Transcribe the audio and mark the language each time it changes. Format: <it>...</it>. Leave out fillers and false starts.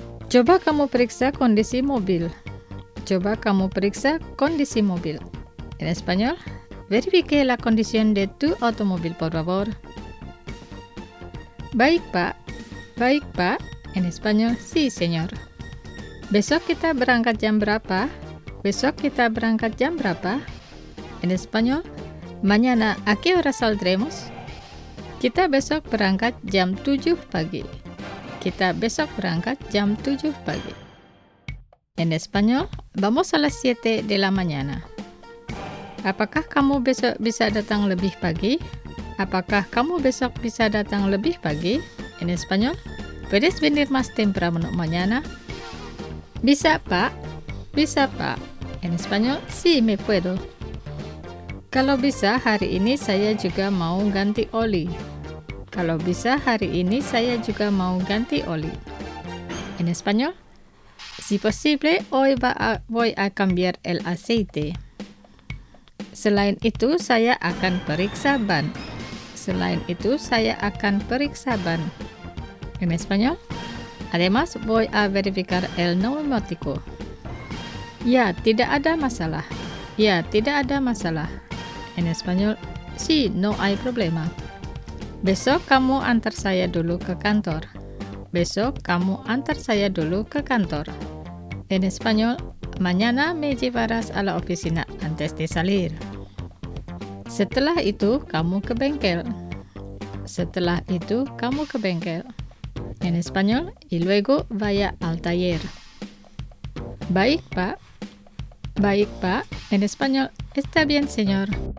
<id>Coba kamu periksa kondisi mobil. Coba kamu periksa kondisi mobil.</id> <es>En español, verifique la condición de tu automóvil, por favor.</es> <id>Baik, Pak,</id> <es>en español, sí, señor.</es> <id>Besok kita berangkat jam berapa? Besok kita berangkat jam berapa?</id> <es>En español, mañana, ¿a qué hora saldremos?</es> <id>Kita besok berangkat jam 7 pagi. Kita besok berangkat jam 7 pagi.</id> <es>En español, vamos a las 7 de la mañana.</es> <id>Apakah kamu besok bisa datang lebih pagi? Apakah kamu besok bisa datang lebih pagi?</id> <es>En español, ¿puedes venir más temprano mañana?</es> <id>Bisa, Pak. Bisa, Pak.</id> <es>En español, sí, me puedo.</es> <id>Kalau bisa hari ini saya juga mau ganti oli. Kalau bisa hari ini saya juga mau ganti oli.</id> <es>En español, si posible hoy voy a cambiar el aceite.</es> <id>Selain itu, saya akan periksa ban. Selain itu, saya akan periksa ban.</id> <es>En español. Además, voy a verificar el neumático.</es> <id>Ya, tidak ada masalah. Ya, tidak ada masalah.</id> <es>En español. Sí, no hay problema.</es> <id>Besok kamu antar saya dulu ke kantor. Besok kamu antar saya dulu ke kantor.</id> <es>En español. Mañana me llevarás a la oficina antes de salir.</es> <id>Setelah itu, kamu ke bengkel. Setelah itu, kamu ke bengkel.</id> <es>En español, y luego vaya al taller.</es> <id>Baik, Pak. Baik, Pak.</id> <es>En español, está bien, señor.</es>